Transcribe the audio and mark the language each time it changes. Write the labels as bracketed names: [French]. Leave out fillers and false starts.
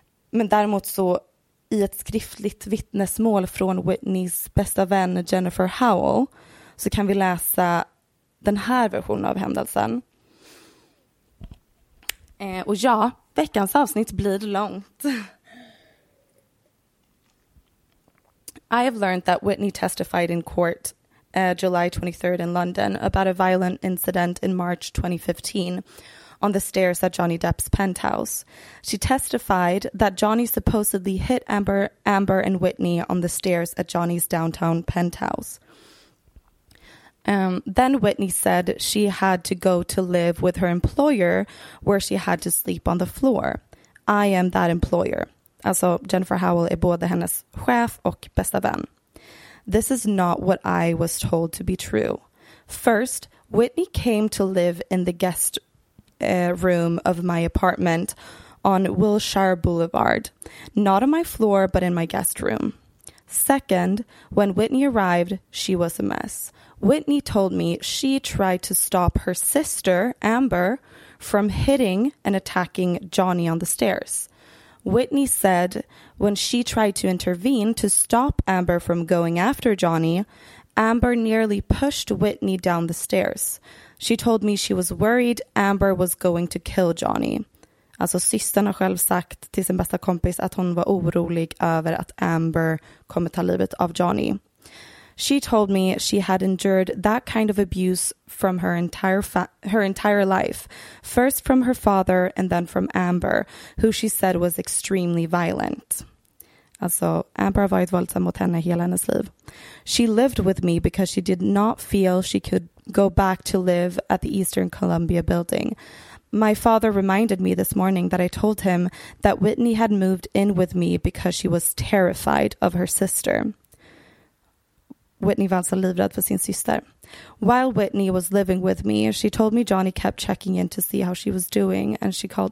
[Swedish] Men däremot så i ett skriftligt vittnesmål från Whitneys bästa vän Jennifer Howell så kan vi läsa den här versionen av händelsen. Och ja, veckans avsnitt blir långt. [English] I have learned that Whitney testified in court July 23rd in London about a violent incident in March 2015 on the stairs at Johnny Depp's penthouse. She testified that Johnny supposedly hit Amber and Whitney on the stairs at Johnny's downtown penthouse. Then Whitney said she had to go to live with her employer where she had to sleep on the floor. I am that employer. [Swedish] Alltså Jennifer Howell är både hennes chef och bästa vän. [English] This is not what I was told to be true. First, Whitney came to live in the guest room of my apartment on Wilshire Boulevard. Not on my floor, but in my guest room. Second, when Whitney arrived, she was a mess. Whitney told me she tried to stop her sister, Amber, from hitting and attacking Johnny on the stairs. Whitney said when she tried to intervene to stop Amber from going after Johnny, Amber nearly pushed Whitney down the stairs. She told me she was worried Amber was going to kill Johnny. [Swedish] Alltså systern har själv sagt till sin bästa kompis att hon var orolig över att Amber kommer ta livet av Johnny. [English] She told me she had endured that kind of abuse from her entire life, first from her father and then from Amber, who she said was extremely violent. [Swedish] Alltså, Amber har varit våldsam mot henne hela hennes liv. [English] She lived with me because she did not feel she could go back to live at the Eastern Columbia building. My father reminded me this morning that I told him that Whitney had moved in with me because she was terrified of her sister. [Swedish] Whitney var alltså livrädd för sin syster. [English] While Whitney was living with me, she told me Johnny kept checking in to see how she was doing and she called...